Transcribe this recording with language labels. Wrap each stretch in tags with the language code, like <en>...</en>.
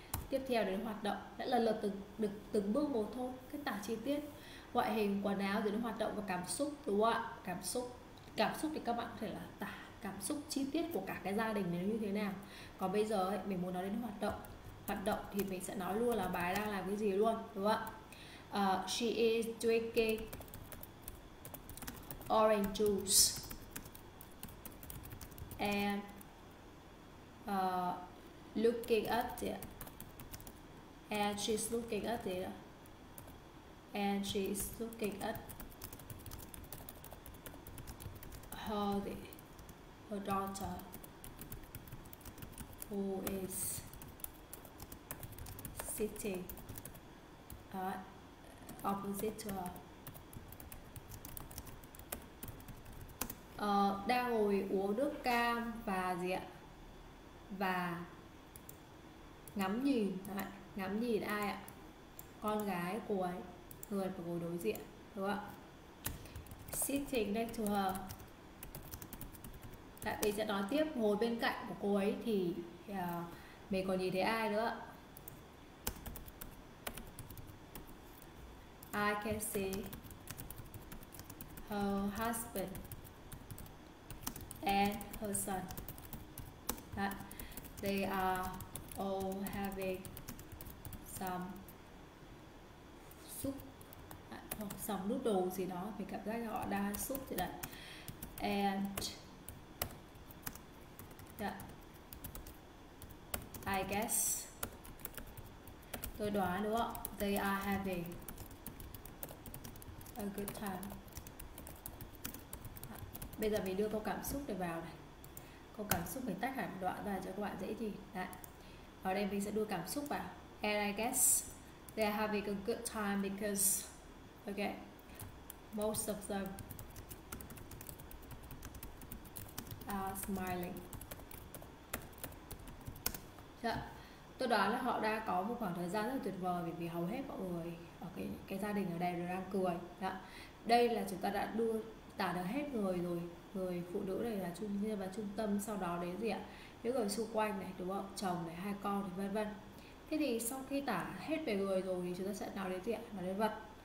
<vi>Tiếp theo đến hoạt động, đã lần lượt từng được từng bước một thôi, cái tả chi tiết ngoại hình quần áo rồi đến hoạt động và cảm xúc đúng không ạ? Cảm xúc thì các bạn có thể là tả cảm xúc chi tiết của cả cái gia đình này như thế nào. Còn bây giờ ấy, mình muốn nói đến hoạt động thì mình sẽ nói luôn là bà ấy đang làm cái gì luôn đúng không ạ?</vi> <en>She is drinking orange juice and looking at it. And she's looking at it. And she's looking at her daughter, who is sitting opposite to her.</en> <vi>Đang ngồi uống nước cam và gì ạ? Và ngắm nhìn. Đấy. Ngắm nhìn ai ạ? Con gái của ấy, người phải ngồi đối diện đúng không ạ?</vi> <en>Sitting next to her.</en> <vi>Tại vì sẽ nói tiếp ngồi bên cạnh của cô ấy thì mình còn nhìn thấy ai nữa?</vi> <en>I can see her husband and her son.</en> <vi>Đấy.</vi> <en>They are all having</en> <vi>súp hoặc dòng nước đồ gì đó, mình cảm giác họ đang súp gì đấy.</vi> <en>And yeah, I guess,</en> <vi>tôi đoán đúng không?</vi> <en>They are having a good time.</en> <vi>Bây giờ mình đưa câu cảm xúc này vào này, câu cảm xúc mình tách hẳn đoạn ra cho các bạn dễ gì. Đấy. Ở đây mình sẽ đưa cảm xúc vào.</vi> <en>And I guess they're having a good time because, okay, most of them are smiling. Yeah.</en> <vi>Tôi đoán là họ đã có một khoảng thời gian rất tuyệt vời vì, hầu hết mọi người ở cái gia đình ở đây đều đang cười. Yeah. Đây là chúng ta đã đưa tả được hết người rồi, người phụ nữ này là trung nhân và trung tâm, sau đó đến gì ạ? Những người xung quanh này đúng không? Chồng này, hai con này, vân vân. Thế thì sau khi tả hết về người rồi thì chúng ta sẽ nói đến gì ạ? Nói đến vật.</vi>